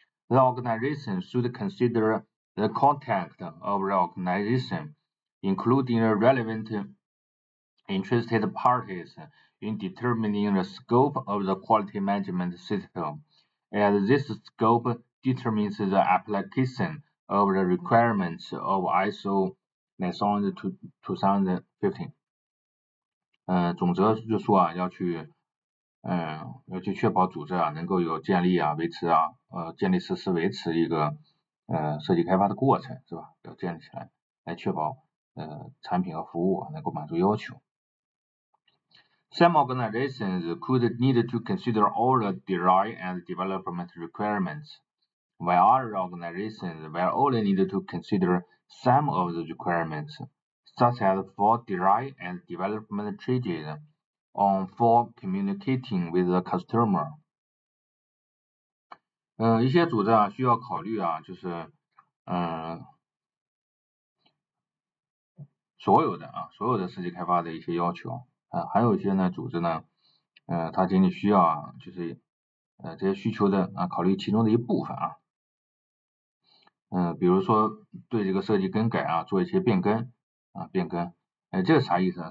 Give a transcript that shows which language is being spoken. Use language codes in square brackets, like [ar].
[en] The organization should consider the context of the organization, including the relevant interested parties in determining the scope of the quality management system, and this scope determines the application of the requirements of ISO 9000:2015。 [zh] 总则就说啊，要去确保组织啊能够有建立啊、维持啊、建立实施维持一个设计开发的过程，是吧？要建立起来，来确保产品和服务啊能够满足要求。 [en] Some organizations could need to consider all the design and development requirements, while other organizations will only need to consider some of the requirements, such as for design and development changes on for communicating with the customer. [zh] 一些组织啊需要考虑啊，就是所有的设计开发的一些要求。还有一些呢，组织呢，它仅仅需要啊，就是这些需求的啊，考虑其中的一部分啊，比如说对这个设计更改啊，做一些变更啊，变更，这是啥意思啊？